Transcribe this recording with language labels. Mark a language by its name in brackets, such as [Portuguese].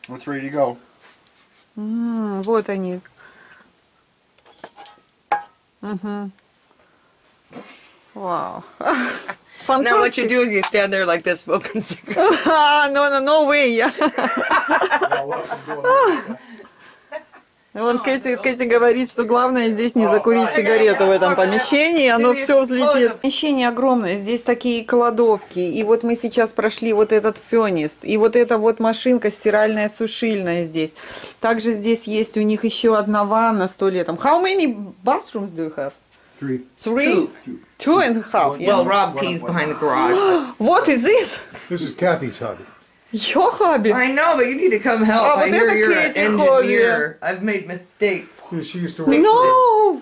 [English] It's ready to go. [Russian] Вот они. Вау. [English] Fantastic. Now what you do is you stand there like this smoking cigarettes. No way. Yeah. [Russian] Вот Кэти говорит, что главное здесь не закурить сигарету в этом помещении, оно все взлетит. Помещение огромное, здесь такие кладовки, и вот мы сейчас прошли вот этот фенист, и вот эта вот машинка стиральная, сушильная здесь. Также здесь есть у них еще одна ванна с туалетом. [English] How many bathrooms do you have? Three. Two and a half. Yeah. Well, Rob pees behind the garage. What is this? This is Kathy's hobby. Your hobby. I know, but you need to come help. Oh, but I hear you're an engineer. I've made mistakes. Yeah, she used to work. No,